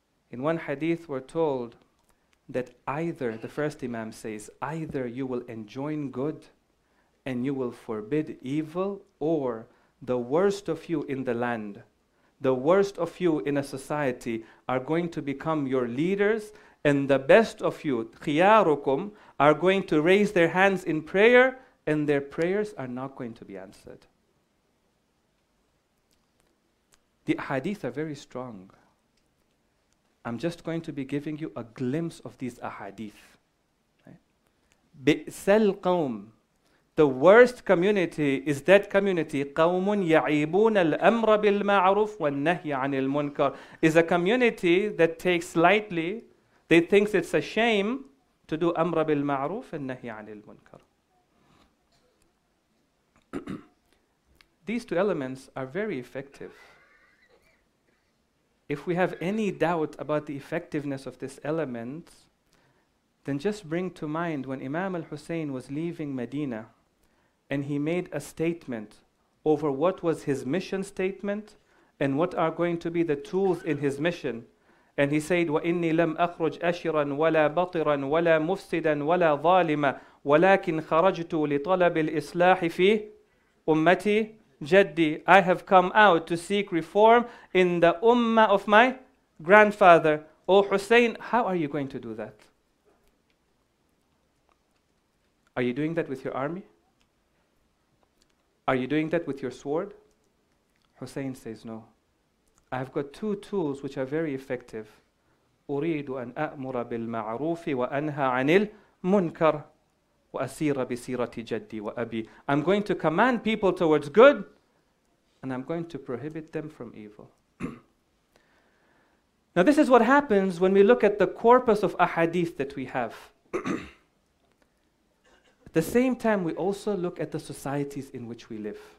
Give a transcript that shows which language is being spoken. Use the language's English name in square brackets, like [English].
[English] In one hadith, we're told that either, the first imam says, either you will enjoin good and you will forbid evil, or the worst of you in the land, the worst of you in a society are going to become your leaders, and the best of you, khiyarukum, are going to raise their hands in prayer, and their prayers are not going to be answered. The ahadith are very strong. I'm just going to be giving you a glimpse of these ahadith. [Arabic] بئس القوم. [English] The worst community is that community, [Arabic] قوم يعيبون الأمر بالمعروف والنهي عن المنكر. [English] Is a community that takes lightly, they think it's a shame to do [Arabic] أمر بالمعروف والنهي عن المنكر. [English] These two elements are very effective. If we have any doubt about the effectiveness of this element, then just bring to mind when Imam al-Hussein was leaving Medina and he made a statement over what was his mission statement and what are going to be the tools in his mission. And he said, [Arabic] وَإِنِّي لَمْ أَخْرُجْ أَشِرًا وَلَا بَطِرًا وَلَا مُفْسِدًا وَلَا ظَالِمًا وَلَكِنْ خَرَجْتُ لِطَلَبِ الْإِصْلَاحِ فِي أُمَّتِي جَدِّي. [English] I have come out to seek reform in the ummah of my grandfather. Oh Hussein, how are you going to do that? Are you doing that with your army? Are you doing that with your sword? Hussein says, no. I have got two tools which are very effective. [Arabic] أريد أن أأمر بالمعروف وأنهى عن المنكر وأسير بسيرة جدي وأبي. [English] I'm going to command people towards good and I'm going to prohibit them from evil. Now this is what happens when we look at the corpus of ahadith that we have. At the same time, we also look at the societies in which we live.